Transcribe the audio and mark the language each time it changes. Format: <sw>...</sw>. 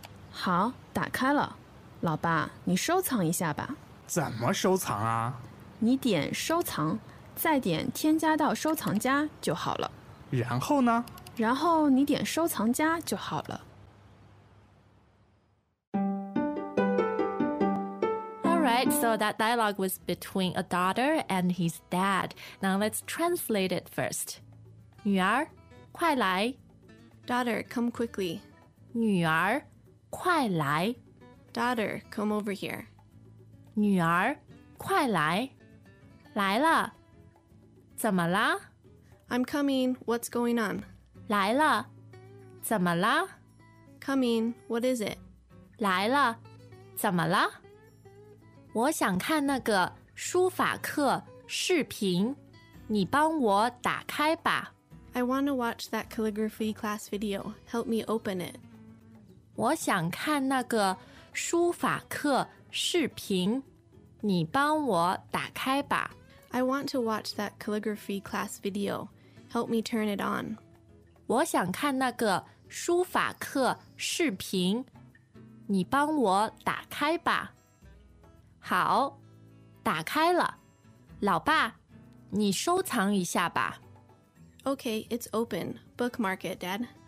<zh>好，打开了。老爸，你收藏一下吧。怎么收藏啊？你点收藏，再点添加到收藏夹就好了。然后呢？然后你点收藏夹就好了。</zh> <en>All right, so that dialogue was between a daughter and his dad. Now let's translate it first.</en> <zh>女儿，快来。</zh> <en>Daughter, come quickly.</en> <zh>女儿快来</zh> <en>Daughter, come over here.</en> <zh>女儿快来来了怎么啦</zh> <en>I'm coming, what's going on?</en> <zh>来了怎么啦</zh> <en>Coming, what is it?</en> <zh>来了怎么啦我想看那个书法课视频你帮我打开吧</zh> <en>I want to watch that calligraphy class video. Help me open it.</en> <zh>我想看那个书法课视频，你帮我打开吧。</zh> <en>I want to watch that calligraphy class video. Help me turn it on.</en> <zh>我想看那个书法课视频，你帮我打开吧。好，打开了。老爸，你收藏一下吧。</zh> <en>Okay, it's open. Bookmark it, Dad.</en>